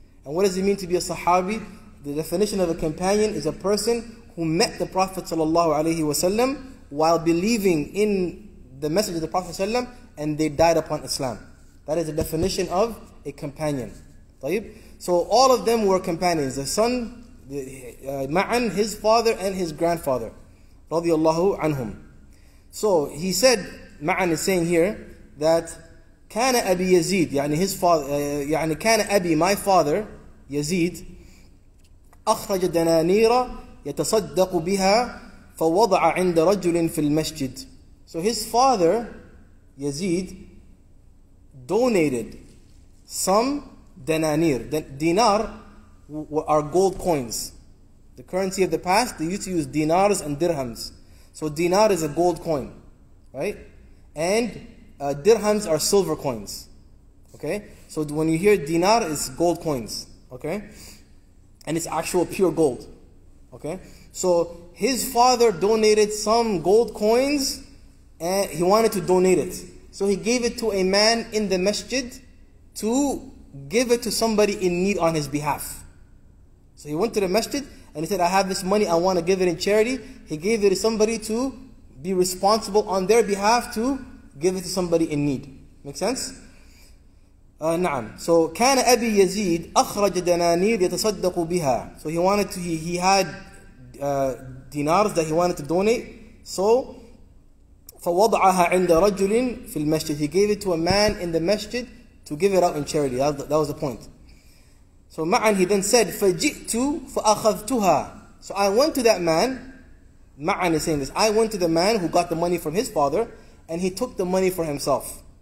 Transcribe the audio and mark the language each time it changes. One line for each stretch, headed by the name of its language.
English: And what does it mean to be a sahabi? The definition of a companion is a person who met the Prophet sallallahu alayhi wa sallam while believing in the message of the Prophet ﷺ, and they died upon Islam. That is the definition of a companion.
Arabic: طيب?
English: So all of them were companions. The son, Ma'an, his father, and his grandfather.
Arabic: Radiallahu anhum.
English: So he said, Ma'an is saying here, that
Arabic: كان أبي يزيد, يعني
English: his father,
Arabic: يعني كان أبي,
English: my father,
Arabic: يزيد, أخرج دنانير يتصدق بها فَوَضَعَ عِنْدَ رَجُلٍ فِي الْمَسْجِدِ.
English: So his father, Yazid, donated some dinanir. Dinar are gold coins. The currency of the past, they used to use dinars and dirhams. So dinar is a gold coin, right? And dirhams are silver coins. Okay? So when you hear dinar, it's gold coins. Okay? And it's actual pure gold. Okay? So his father donated some gold coins and he wanted to donate it. So he gave it to a man in the masjid to give it to somebody in need on his behalf. So he went to the masjid and he said, I have this money, I want to give it in charity. He gave it to somebody to be responsible on their behalf to give it to somebody in need. Make sense? Na'am. So
Arabic: كان أبي يزيد أخرج دنانير يتصدق بها.
English: So he wanted to, he had dinars that he wanted to donate. So
Arabic: فوضعها عند رجل في المسجد.
English: He gave it to a man in the masjid to give it out in charity. That was the point. So Ma'an, he then said,
Arabic: فجئت فأخذتها.
English: So I went to that man. Ma'an is saying this. I went to the man who got the money from his father and he took the money for himself.